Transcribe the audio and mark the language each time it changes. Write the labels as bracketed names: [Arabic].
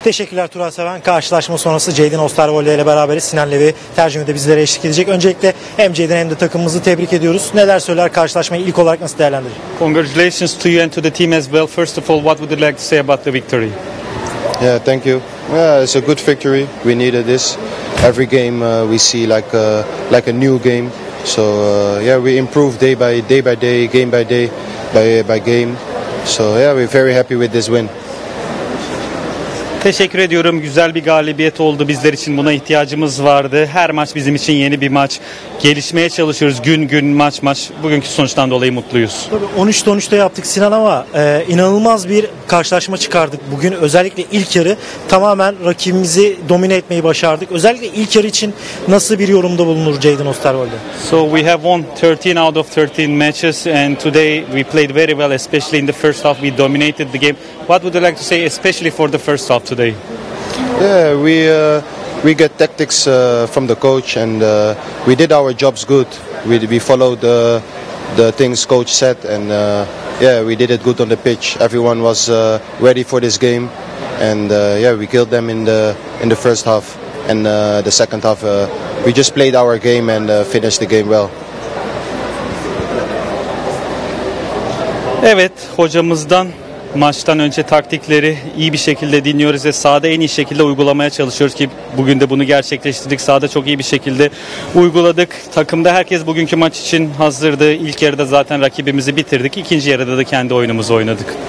[Turkish] Teşekkürler Turan Seven. Karşılaşma sonrası Ceydin Ostarvoli ile beraberiz. Sinan Levi tercümede bizlere eşlik edecek. Öncelikle hem Ceydin hem de takımımızı tebrik ediyoruz. Neler söyler, karşılaşmayı ilk olarak nasıl değerlendirir? [English] Congratulations to you and to the team as well. First of all, what would you like to say about the victory? Yeah, thank you. Yeah, it's a good victory. We needed this. Every game we see like a new game. So yeah, we improve day by day, game by day, by game. So yeah, we're very happy with this win. [Turkish] Teşekkür ediyorum. Güzel bir galibiyet oldu. Bizler için buna ihtiyacımız vardı. Her maç bizim için yeni bir maç. Gelişmeye çalışıyoruz gün gün, maç maç. Bugünkü sonuçtan dolayı mutluyuz. Tabii 13'te 13'te yaptık Sinan ama inanılmaz bir karşılaşma çıkardık bugün. Özellikle ilk yarı tamamen rakibimizi domine etmeyi başardık. Özellikle ilk yarı için nasıl bir yorumda bulunur Ceydin Osterwold'e? [English] So we have won 13 out of 13 matches and today we played very well, especially in the first half we dominated the game. What would you like to say especially for the first half today? Yeah, we get tactics from the coach and we did our jobs good. We followed the things coach said and yeah, we did it good on the pitch. Everyone was ready for this game and yeah, we killed them in the first half and the second half we just played our game and finished the game well. [Turkish] Evet, hocamızdan maçtan önce taktikleri iyi bir şekilde dinliyoruz ve sahada en iyi şekilde uygulamaya çalışıyoruz ki bugün de bunu gerçekleştirdik. Sahada çok iyi bir şekilde uyguladık. Takımda herkes bugünkü maç için hazırdı. İlk yarıda zaten rakibimizi bitirdik. İkinci yarıda da kendi oyunumuzu oynadık.